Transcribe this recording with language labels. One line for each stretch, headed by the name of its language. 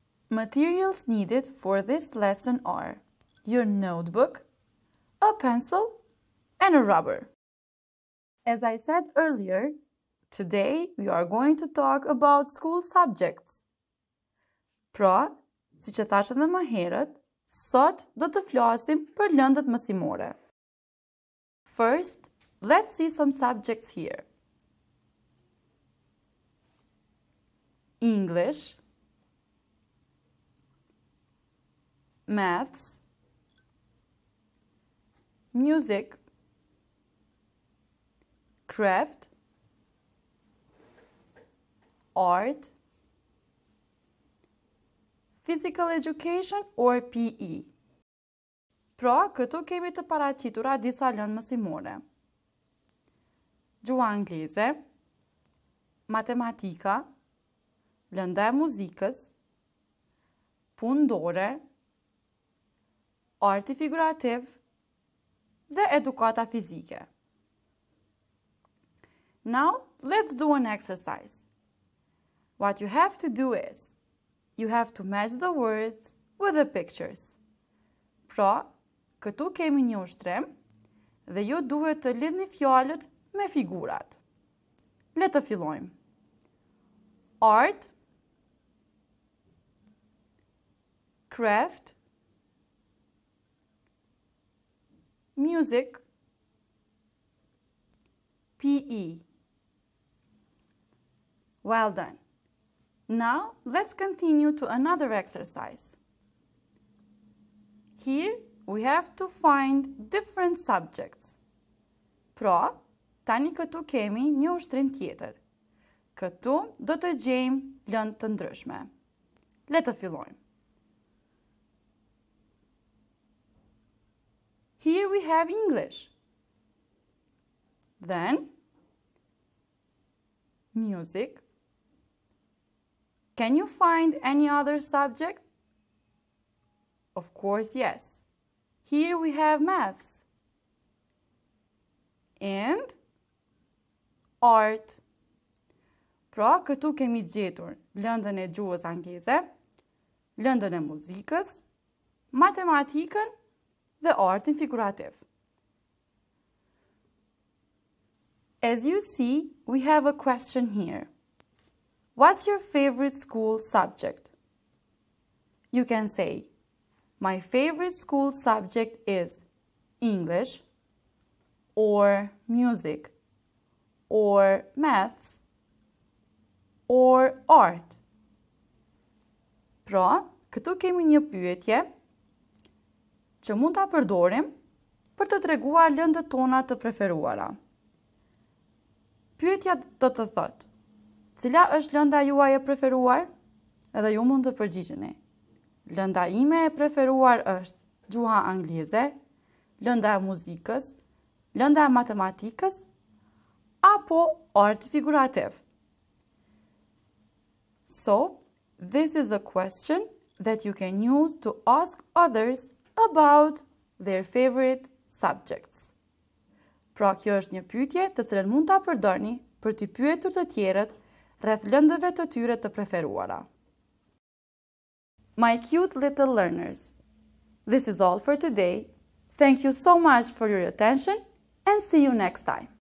English: Materials needed for this lesson are your notebook, a pencil, and a rubber. As I said earlier, today we are going to talk about school subjects.
Albanian: Pra, si që thashë edhe më herët, sot do të flasim për lëndët mësimore.
English: First, let's see some subjects here. English, Maths, Music, Craft, Art, Physical Education or PE.
Albanian: Pra, këtu kemi të paraqitura disa lëndë mësimore. Gjuha angleze, matematika, lënda e muzikës, punë dore, arti figurativ dhe edukata fizike.
English: Now, let's do an exercise. What you have to do is, you have to match the words with the pictures.
Albanian: Pra, këtu kemi një ushtrim dhe ju duhet të lidhni fjalët me figurat. Le të fillojmë. Art, craft, music, PE.
English: Well done. Now, let's continue to another exercise. Here, we have to find different subjects.
Albanian: Pra, tani këtu kemi një ushtrim tjetër. Këtu do të gjejmë lëndë të ndryshme. Le të fillojmë.
English: Here we have English. Then, music. Can you find any other subject? Of course, yes. Here we have maths. And art.
Albanian: Pra, këtu kemi gjetur lëndën e gjuhës angleze, lëndën e muzikës, matematikën dhe artin figurativ.
English: As you see, we have a question here. What's your favorite school subject? You can say, my favorite school subject is English, or music, or maths, or art.
Albanian: Pra, këtu kemi një pyetje që mund ta përdorim për të treguar lëndët tona të preferuara. Pyetja do të thotë, cila është lënda juaj e preferuar? Edhe ju mund të përgjigjeni. Lënda ime e preferuar është gjuha angleze, lënda e muzikës, lënda e matematikës, apo art figurativ.
English: So, this is a question that you can use to ask others about their favorite subjects.
Albanian: Pra, kjo është një pyetje të cilën mund ta përdorni për t'i pyetur të tjerët rreth lëndëve të tyre të preferuara.
English: My cute little learners, this is all for today. Thank you so much for your attention and see you next time.